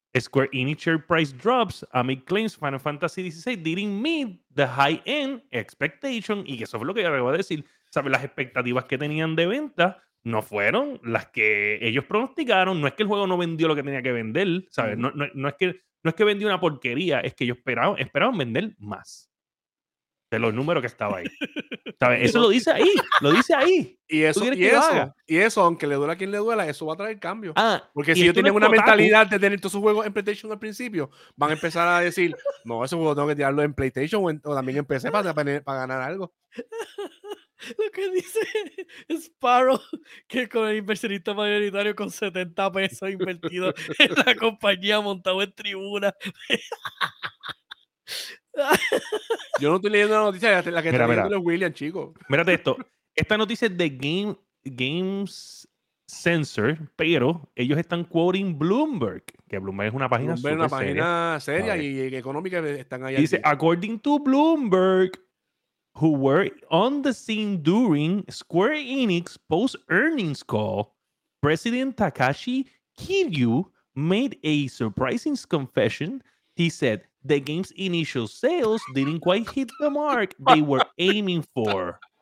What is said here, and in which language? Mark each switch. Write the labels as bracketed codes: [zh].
[en] Square Enix share price drops amid claims Final Fantasy XVI didn't meet the high-end expectation. [es] Y eso fue lo que yo acabo de decir. ¿Sabes? Las expectativas que tenían de venta no fueron las que ellos pronosticaron. No es que el juego no vendió lo que tenía que vender, ¿sabes? No es que vendió una porquería, es que ellos esperaban vender más de los números que estaba ahí. ¿Sabes? Eso lo dice ahí. Y eso, aunque le duela a quien le duela, eso va a traer cambio. Porque si yo tengo una mentalidad de tener todos sus juegos en PlayStation al principio, van a empezar a decir, no, ese juego tengo que tirarlo en PlayStation o también en PC para ganar algo. Lo que dice Sparrow, que con el inversionista mayoritario con 70 pesos invertido en la compañía montado en tribuna. Yo no estoy leyendo la noticia, la que está leyendo es William, chico. Mírate esto. Esta noticia es de Games Sensor, pero ellos están quoting Bloomberg, que Bloomberg es una página súper seria. Y económica, están ahí. Dice, aquí. [en] According to Bloomberg, who were on the scene during Square Enix post-earnings call, President Takashi Kiryu made a surprising confession. He said, the game's initial sales didn't quite hit the mark they were aiming for.